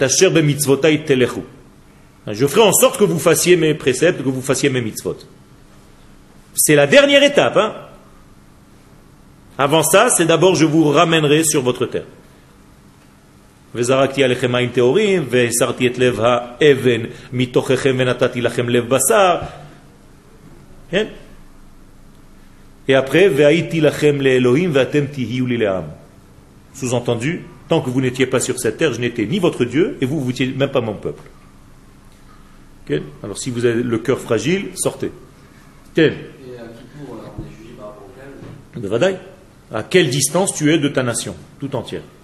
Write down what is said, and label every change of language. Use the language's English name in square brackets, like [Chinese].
[French] Je ferai en sorte que vous fassiez mes préceptes, que vous fassiez mes mitzvot. C'est la dernière étape. Hein? Avant ça, c'est d'abord je vous ramènerai sur votre terre. [Hebrew] וזרקתי עליכם מים טהורים והסרתי את לב האבן מתוככם ונתתי לכם לב בשר. כן? [French] Et après, [Hebrew] והייתי לכם לאלוהים ואתם תהיו לי לעם. [French] Sous-entendu, tant que vous n'étiez pas sur cette terre, je n'étais ni votre Dieu et vous n'étiez même pas mon peuple. Okay? Alors si vous avez le cœur fragile, sortez. Okay? Et à qui pour on est jugé par rapport à Vadaï. À quelle distance tu es de ta nation, tout entière.